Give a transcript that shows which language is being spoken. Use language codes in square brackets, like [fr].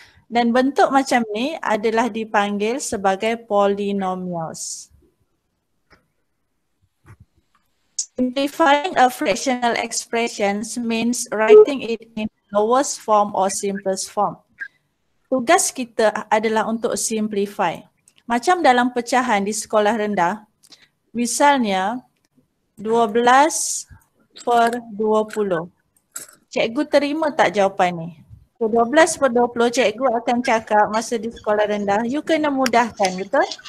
[ms] Dan bentuk macam ni adalah dipanggil sebagai polynomials. [en] Simplifying a fractional expression means writing it in lowest form or simplest form. [ms] Tugas kita adalah untuk simplify. Macam dalam pecahan di sekolah rendah, misalnya 12 per 20. Cikgu terima tak jawapan ni? 12 per 20 cikgu akan cakap masa di sekolah rendah, you kena mudahkan, betul?